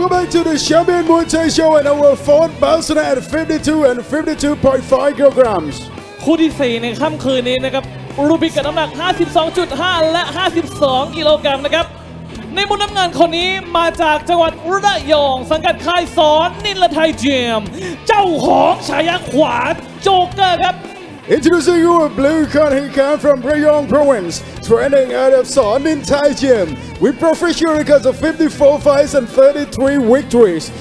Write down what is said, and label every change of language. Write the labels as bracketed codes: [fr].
[en] to the Champion Muay Thai Show and our fourth bouncer at 52 and 52.5 kilograms. [th] คู่ที่4ในค่ำคืนนี้นะครับรูบิกกับน้ำหนัก 52.5 และ52กิโลกรัมนะครับในมุมน้ำเงินคนนี้มาจากจังหวัดระยองสังกัดค่ายสอนนิลไทยเจมเจ้าของฉายาขวาโจ๊กเกอร์ครับ [en] Introducing you a blue card he came from Rayong Province training out of Sorn Nin Thai Gym with professional records of 54 fights and 33 victories